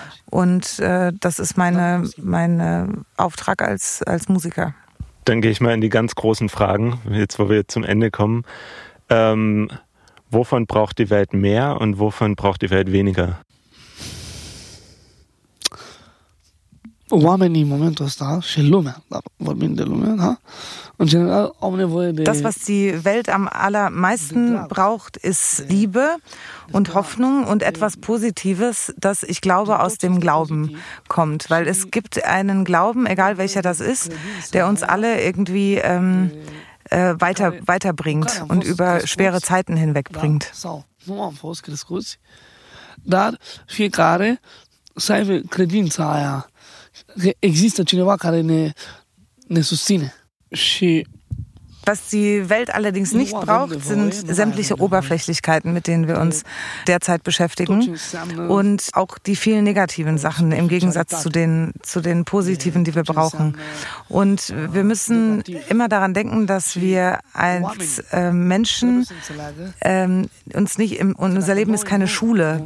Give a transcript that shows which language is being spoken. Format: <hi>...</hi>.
<de>Und das ist mein Auftrag als Musiker. Dann gehe ich mal in die ganz großen Fragen, jetzt wo wir zum Ende kommen. Wovon braucht die Welt mehr und wovon braucht die Welt weniger?</de> <ro>Oamenii în momentul ăsta și lumea, dar vorbim de lumea, da? În general au nevoie de...</ro> <de>Das, was die Welt am allermeisten braucht, ist Liebe und Hoffnung und etwas Positives, das, ich glaube, aus dem Glauben kommt. Weil es gibt einen Glauben, egal welcher das ist, der uns alle irgendwie weiterbringt und über schwere Zeiten hinwegbringt.</de> <ro>Nu am fost crescuți, dar fiecare să aibă credința aia. Există cineva care ne susține. Și</ro> <de>was die Welt allerdings nicht braucht, sind sämtliche Oberflächlichkeiten, mit denen wir uns derzeit beschäftigen. Und auch die vielen negativen Sachen im Gegensatz zu den positiven, die wir brauchen. Und wir müssen immer daran denken, dass wir als Menschen uns nicht unser Leben ist keine Schule.</de>